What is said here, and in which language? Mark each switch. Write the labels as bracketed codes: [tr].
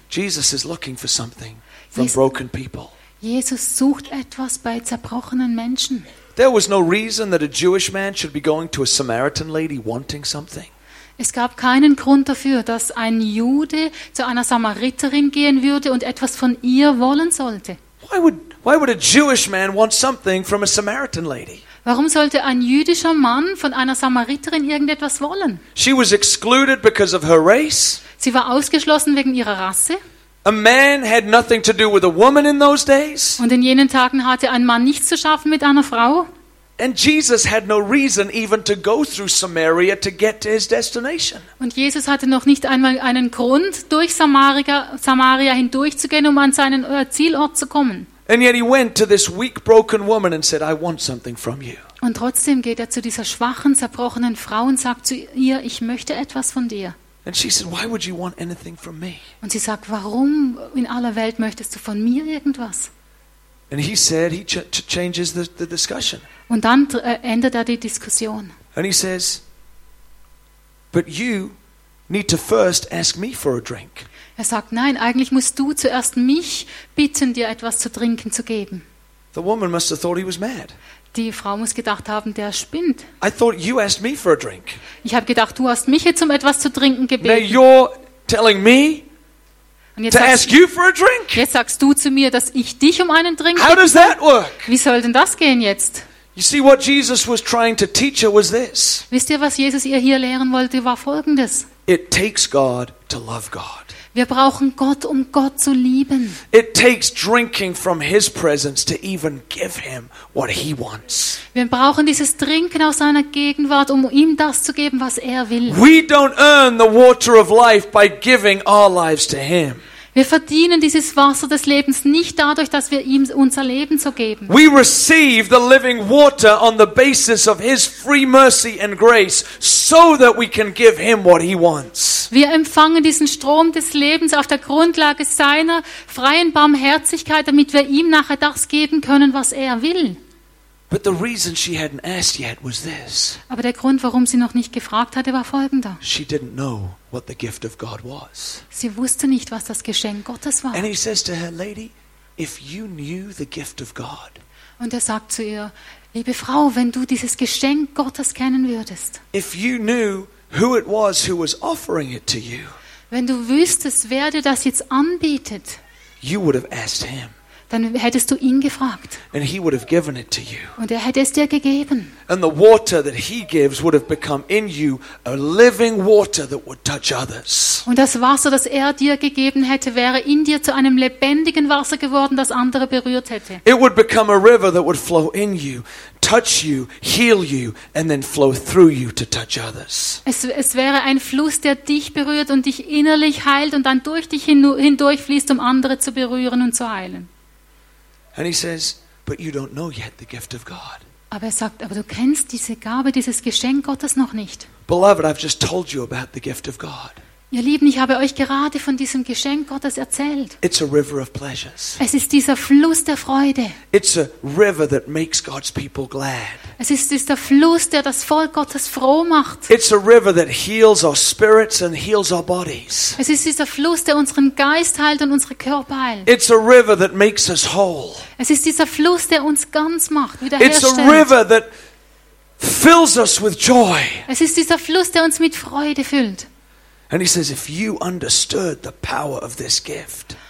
[en] Jesus is looking for something from broken people. [de] Jesus sucht etwas bei zerbrochenen Menschen. [en] There was no reason that a Jewish man should be going to a Samaritan lady wanting something. [de] Es gab keinen Grund dafür, dass ein Jude zu einer Samariterin gehen würde und etwas von ihr wollen sollte. [en] Why would a Jewish man want something from a Samaritan lady? [de] Warum sollte ein jüdischer Mann von einer Samariterin irgendetwas wollen? [en] She was excluded because of her race. [de] Sie war ausgeschlossen wegen ihrer Rasse. [en] A man had nothing to do with a woman in those days. [de] Und in jenen Tagen hatte ein Mann nichts zu schaffen mit einer Frau. [en] And Jesus had no reason even to go through Samaria to get to his destination. [de] Und Jesus hatte noch nicht einmal einen Grund, durch Samaria hindurchzugehen, um an seinen Zielort zu kommen. [en] And yet he went to this weak, broken woman and said, "I want something from you." [de] Und trotzdem geht er zu dieser schwachen, zerbrochenen Frau und sagt zu ihr, "Ich möchte etwas von dir." [en] And she said, "Why would you want anything from me?" [de] Und sie sagt, warum in aller Welt möchtest du von mir irgendwas? [en] And he said, he changes the discussion. [de] Und dann ändert er die Diskussion. [en] And he says, "But you need to first ask me for a drink." [de] Er sagt, nein, eigentlich musst du zuerst mich bitten, dir etwas zu trinken zu geben. [en] The woman must have thought he was mad. [de] Die Frau muss gedacht haben, der spinnt. [en] I thought you asked me for a drink. [de] Ich habe gedacht, du hast mich jetzt um etwas zu trinken gebeten. [en] Now you're telling me to ask you for a drink? [de] Jetzt sagst du zu mir, dass ich dich um einen Drink bitte. [en] How does that work? [de] Wie soll denn das gehen jetzt? [en] You see, what Jesus was trying to teach her was this. [de] Wisst ihr, was Jesus ihr hier lehren wollte, war folgendes. [en] It takes God to love God. [de] Wir brauchen Gott, um Gott zu lieben. [en] It takes drinking from his presence to even give him what he wants. [de] Wir brauchen dieses Trinken aus seiner Gegenwart, um ihm das zu geben, was er will. [en] We don't earn the water of life by giving our lives to him. [de] Wir verdienen dieses Wasser des Lebens nicht dadurch, dass wir ihm unser Leben so geben. [en] We receive the living water on the basis of his free mercy and grace, so that we can give him what he wants. [de] Wir empfangen diesen Strom des Lebens auf der Grundlage seiner freien Barmherzigkeit, damit wir ihm nachher das geben können, was er will. [en] But the reason she hadn't asked yet was this. [de] Aber der Grund, warum sie noch nicht gefragt hatte, war folgender. [en] She didn't know what the gift of God was. [de] Sie wusste nicht, was das Geschenk Gottes war. [en] And he says to her, lady, if you knew the gift of God. [de] Und er sagt zu ihr, liebe Frau, wenn du dieses Geschenk Gottes kennen würdest. [en] If you knew who it was who was offering it to you. [de] Wenn du wüsstest, wer dir das jetzt anbietet. [en] You would have asked him. [de] Dann hättest du ihn gefragt. [en] And he would have given it to you. [de] Und er hätte es dir gegeben. [en] And the water that he gives would have become in you a living water that would touch others. [de] Und das Wasser, das er dir gegeben hätte, wäre in dir zu einem lebendigen Wasser geworden, das andere berührt hätte. [en] It would become a river that would flow in you, touch you, heal you, and then flow through you to touch others. [de] Es wäre ein Fluss, der dich berührt und dich innerlich heilt und dann durch dich hindurch fließt, um andere zu berühren und zu heilen. [en] And he says, but you don't know yet the gift of God. [de] Aber er sagt, aber du kennst diese Gabe, dieses Geschenk Gottes noch nicht. [en] Beloved, I've just told you about the gift of God. [de] Ihr Lieben, ich habe euch gerade von diesem Geschenk Gottes erzählt. [en] It's a river of pleasures. [de] Es ist dieser Fluss der Freude. [en] It's a river that makes God's people glad. [de] Es ist dieser Fluss, der das Volk Gottes froh macht. [en] It's a river that heals our spirits and heals our bodies. [de] Es ist dieser Fluss, der unseren Geist heilt und unsere Körper heilt. [en] It's a river that makes us whole. [de] Es ist dieser Fluss, der uns ganz macht, wiederherstellt. [en] It's a river that fills us with joy. [de] Es ist dieser Fluss, der uns mit Freude füllt. [en] And he says, if you understood the power of this gift.